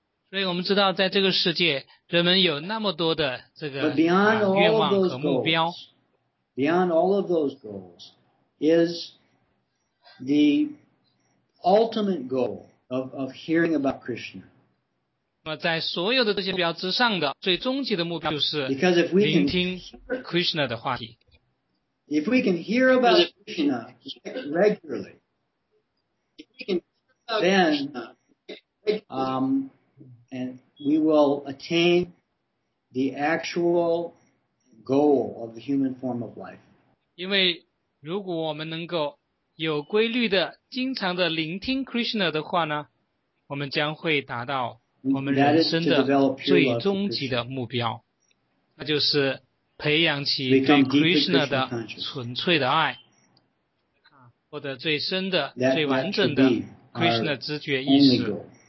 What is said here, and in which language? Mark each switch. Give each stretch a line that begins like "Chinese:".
Chinese: 所以我们知道，在这个世界，人们有那么多的这个愿望和目标。
English: Beyond all of those goals is the ultimate goal of hearing about Krishna.
Chinese: 那么在所有的这些目标之上的最终极的目标就是聆听 Krishna 的话题。
English: If we can hear about Krishna regularly, then, and we will attain the actual goal of the human form of life.
Chinese: 因为如果我们能够有规律的、经常的聆听 Krishna 的话呢，我们将会达到。我们人生的最终极的目标，那就是培养起对 Krishna 的纯粹的爱，获得最深的、最完整的 Krishna 知觉意识。